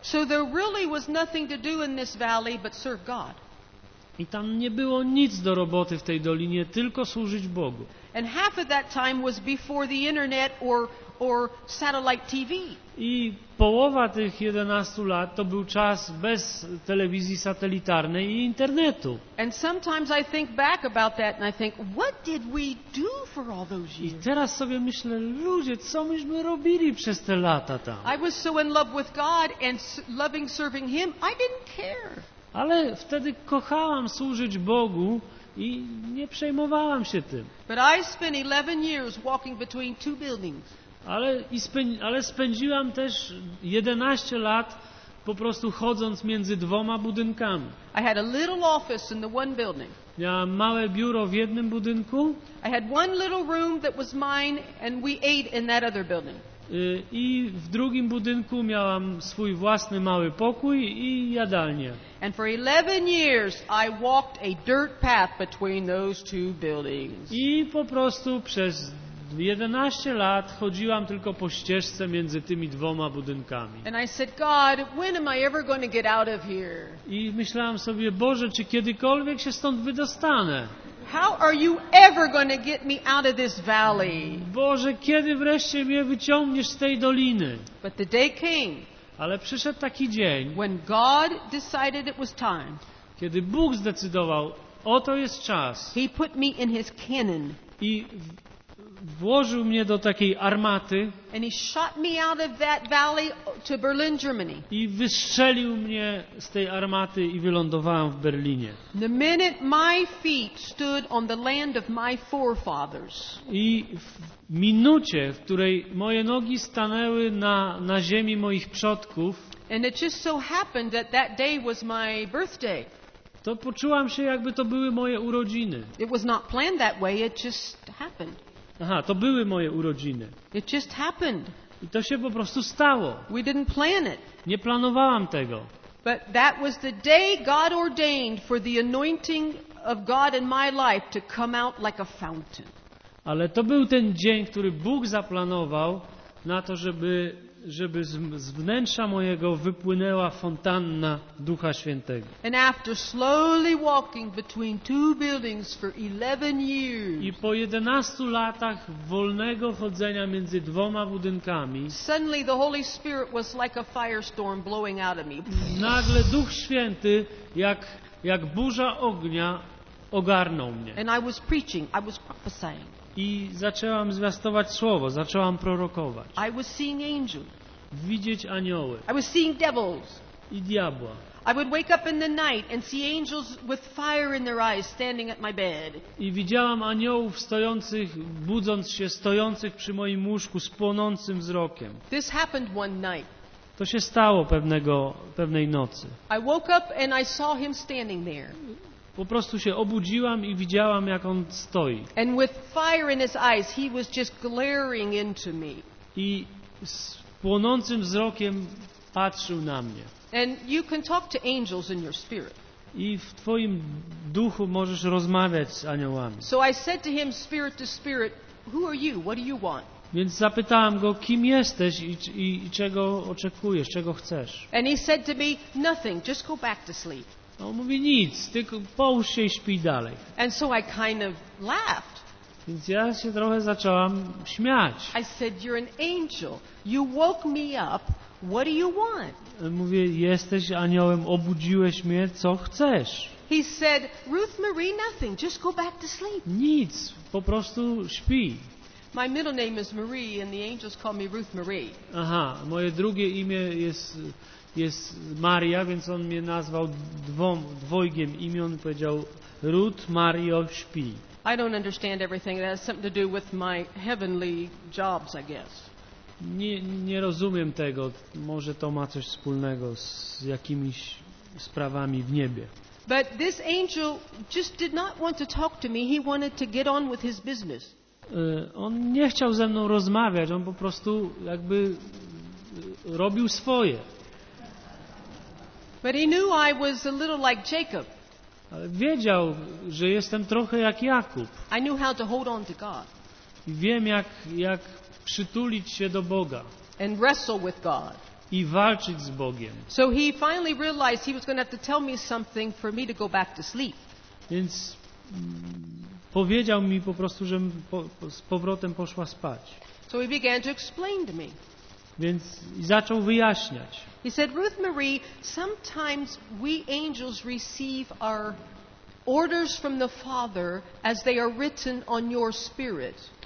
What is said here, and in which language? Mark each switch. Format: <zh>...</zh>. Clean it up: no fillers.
<en>So there really was nothing to do in this valley but serve God.</en> <pl>I tam nie było nic do roboty w tej dolinie, tylko służyć Bogu.</pl> <en>And half of that time was before the internet or satellite TV.</en> <pl>I połowa tych 11 lat to był czas bez telewizji satelitarnej i internetu.</pl> <en>And sometimes I think back about that and I think, what did we do for all those years?</en> <pl>I teraz sobie myślę, ludzie, co myśmy robili przez te lata tam?</pl> <en>I was so in love with God and loving serving Him, I didn't care.</en> <pl>Ale wtedy kochałam służyć Bogu i nie przejmowałam się tym.</pl> <en>But I spent 11 years walking between two buildings.</en> <pl>Ale spędziłam też 11 lat po prostu chodząc między dwoma budynkami.</pl> <en>I had a little office in the one building.</en> <pl>Miałam małe biuro w jednym budynku.</pl> <en>I had one little room that was mine and we ate in that other building.</en> <pl>I w drugim budynku miałam swój własny mały pokój i jadalnię.</pl> <en>And for 11 years I walked a dirt path between those two buildings.</en> <pl>I po prostu przez 11 lat chodziłam tylko po ścieżce między tymi dwoma budynkami.</pl> <en>And I said, God, when am I ever going to get out of here?</en> <pl>I myślałam sobie, Boże, czy kiedykolwiek się stąd wydostanę?</pl> <en>How are you ever going to get me out of this valley?</en> <pl>Boże, kiedy wreszcie mnie wyciągniesz z tej doliny?</pl> <en>But the day came.</en> <pl>Ale przyszedł taki dzień.</pl> <en>When God decided it was time.</en> <pl>Kiedy Bóg zdecydował, oto jest czas.</pl> <en>He put me in His cannon.</en> <pl>I włożył mnie do takiej armaty.</pl> <en>And he shot me out of that valley to Berlin, Germany.</en> <pl>I wystrzelił mnie z tej armaty i wylądowałem w Berlinie.</pl> <en>The minute my feet stood on the land of my forefathers.</en> <pl>I w minucie, w której moje nogi stanęły na ziemi moich przodków.</pl> <en>And it just so happened that that day was my birthday.</en> <pl>To poczułam się, jakby to były moje urodziny.</pl> <en>It was not planned that way, it just happened.</en> <pl>Aha, to były moje urodziny.</pl> <en>It just happened.</en> <pl>I to się po prostu stało.</pl> <en>We didn't plan it.</en> <pl>Nie planowałam tego.</pl> <en>But that was the day God ordained for the anointing of God in my life to come out like a fountain.</en> <pl>Ale to był ten dzień, który Bóg zaplanował na to, żeby z wnętrza mojego wypłynęła fontanna Ducha Świętego.</pl> <en>And after slowly walking between two buildings for 11 years.</en> <pl>I po 11 latach wolnego chodzenia między dwoma budynkami.</pl> <en>Suddenly the Holy Spirit was like a firestorm blowing out of me.</en> <pl>Nagle Duch Święty jak burza ognia ogarnął mnie.</pl> <en>And I was preaching, I was prophesying.</en> <pl>I zaczęłam zwiastować słowo, zaczęłam prorokować.</pl> <en>I was seeing angels.</en> <pl>Widzieć anioły.</pl> <en>I was seeing devils.</en> <pl>I diabła.</pl> <en>I would wake up in the night and see angels with fire in their eyes standing at my bed.</en> <pl>I widziałam aniołów stojących, budząc się, stojących przy moim łóżku z płonącym wzrokiem.</pl> <en>This happened one night.</en> <pl>To się stało pewnej nocy.</pl> <en>I woke up and I saw him standing there.</en> <pl>Po prostu się obudziłam i widziałam, jak on stoi.</pl> <en>And with fire in his eyes, he was just glaring into me.</en> <pl>I z płonącym wzrokiem patrzył na mnie.</pl> <en>And you can talk to angels in your spirit.</en> <pl>I w twoim duchu możesz rozmawiać z aniołami.</pl> <en>So I said to him, spirit to spirit, who are you? What do you want?</en> <pl>Więc zapytałam go, kim jesteś i czego oczekujesz, czego chcesz.</pl> <en>And he said to me, nothing, just go back to sleep.</en> <pl>On mówi, nic, tylko połóż się i śpi dalej.</pl> <en>And so I kind of laughed.</en> <pl>Więc ja się trochę zaczęłam śmiać.</pl> <en>I said, you're an angel. You woke me up. What do you want?</en> <pl>Mówię, jesteś aniołem, obudziłeś mnie, co chcesz?</pl> <en>He said, Ruth Marie, nothing. Just go back to sleep.</en> <pl>Nic, po prostu śpi.</pl> <en>My middle name is Marie and the angels call me Ruth Marie.</en> <pl>Aha, moje drugie imię jest Maria, więc on mnie nazwał dwojgiem imion, powiedział Ruth Mario śpi.</pl> <en>I don't understand everything. That has something to do with my heavenly jobs, I guess.</en> <pl>Nie rozumiem tego. Może to ma coś wspólnego z jakimiś sprawami w niebie.</pl> <en>But this angel just did not want to talk to me. He wanted to get on with his business.</en> <pl>On nie chciał ze mną rozmawiać. On po prostu jakby robił swoje.</pl> <en>But he knew I was a little like Jacob.</en> <pl>Wiedział, że jestem trochę jak Jakub.</pl> <en>I knew how to hold on to God.</en> <pl>I wiem, jak przytulić się do Boga.</pl> <en>And wrestle with God.</en> <pl>I walczyć z Bogiem.</pl> <en>So he finally realized he was going to have to tell me something for me to go back to sleep.</en> <pl>Więc powiedział mi po prostu, żebym z powrotem poszła spać.</pl> <en>So he began to explain to me.</en> <pl>Więc zaczął wyjaśniać.</pl> <en>He said, Ruth Marie, sometimes we angels receive our orders from the Father as they are written on your spirit.</en>